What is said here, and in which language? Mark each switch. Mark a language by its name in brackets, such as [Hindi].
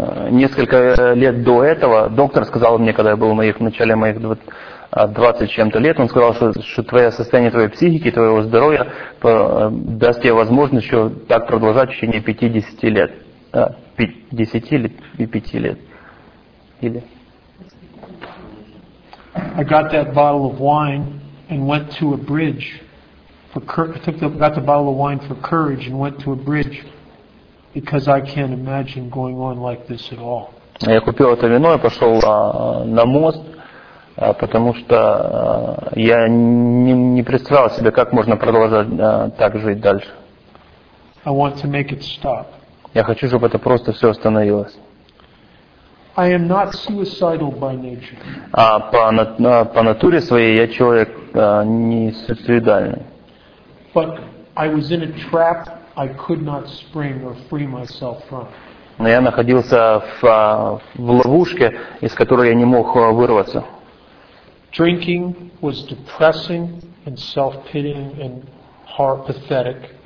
[Russian] Несколько лет до этого доктор сказал мне, когда я был в начале моих 20 чем-то лет, он сказал, что твое состояние твоей психики, твоего здоровья даст тебе возможность еще так продолжать в течение 5-10 лет. 10 или 5 лет. [English] I got that bottle of wine and went to a bridge. Got the bottle of wine for courage and went to a bridge because I can't imagine going on like this at all. [Russian] Я купил это вино и пошел на мост, потому что я не представлял себе, как можно продолжать так жить дальше. [English] I want to make it stop. [Russian] Я хочу, чтобы это просто все остановилось. [English] I am not suicidal by nature. [Russian] По натуре своей я человек не суицидальный. [English] But I was in a trap I could not spring or free myself from. [Russian] Но я находился в ловушке, из которой я не мог вырваться. [English] Drinking was depressing and self-pitying and pathetic.